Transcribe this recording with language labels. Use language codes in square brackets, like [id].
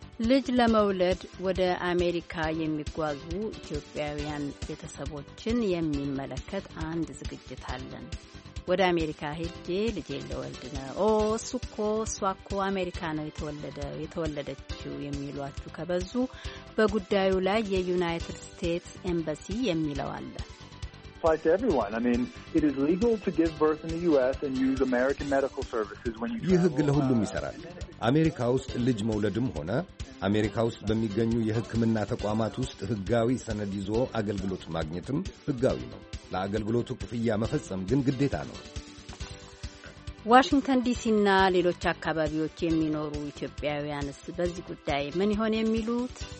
[am] ልጅ ለመውለድ ወደ አሜሪካ የሚጓዙ ኢትዮጵያውያን ቤተሰቦችን የሚመለከት አንድ ዝግጅት አለን። ወደ አሜሪካ ሄጄ ልጄ ለወልድ ነው፣ ኦ እሷኮ አሜሪካ ነው የተወለደችው የሚሏችሁ ከበዙ በጉዳዩ ላይ የዩናይትድ ስቴትስ ኤምባሲ የሚለው አለ። [en] Apply to everyone. I mean, it is legal to give birth in the U.S. and use American medical services when you travel. [am] ይህ ህግ ለሁሉም ይሰራል። አሜሪካ ውስጥ ልጅ መውለድም ሆነ አሜሪካ ውስጥ በሚገኙ የህክምና ተቋማት ውስጥ ህጋዊ ሰነድ ይዞ አገልግሎት ማግኘትም ህጋዊ ነው። ለአገልግሎቱ ክፍያ መፈጸም ግን ግዴታ ነው። ዋሽንግተን ዲሲ እና ሌሎች አካባቢዎች የሚኖሩ ኢትዮጵያውያንስ በዚህ ጉዳይ ምን ይሆን የሚሉት?